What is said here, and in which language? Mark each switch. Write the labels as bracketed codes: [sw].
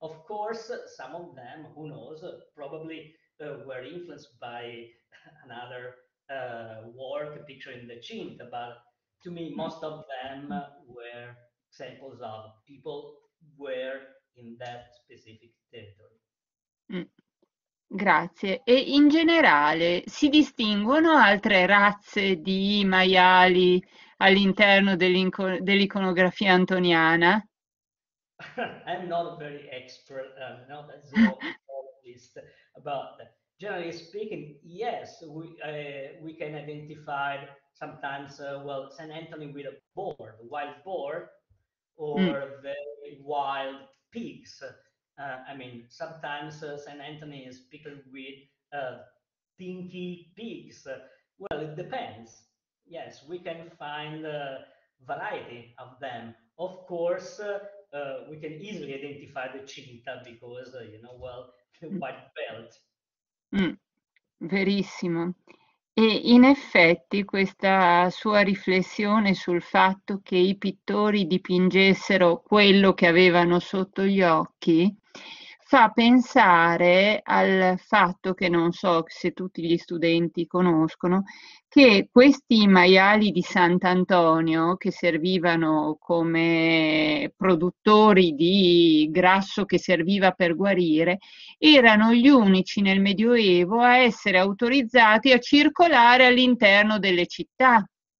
[en] Of course, some of them, who knows, probably were influenced by another work picturing the Cinta, but to me, most of them were examples of people were in that specific territory. [it] Grazie. E in generale si distinguono altre razze di maiali all'interno dell'iconografia antoniana? [en] I'm not very expert, not a zoologist about that. Generally speaking, yes, we can identify sometimes, Saint Anthony with a boar, wild boar, or very wild pigs. I mean, sometimes Saint Anthony is pictured with dinky pigs. Well, it depends. Yes, we can find a variety of them. Of course, we can easily identify the Cinta because, the white belt. [it] Verissimo. E in effetti questa sua riflessione sul fatto che i pittori dipingessero quello che avevano sotto gli occhi fa pensare al fatto che non so se tutti gli studenti conoscono, che questi maiali di Sant'Antonio che servivano come produttori di grasso che serviva per guarire, erano gli unici nel Medioevo a essere autorizzati a circolare all'interno delle città.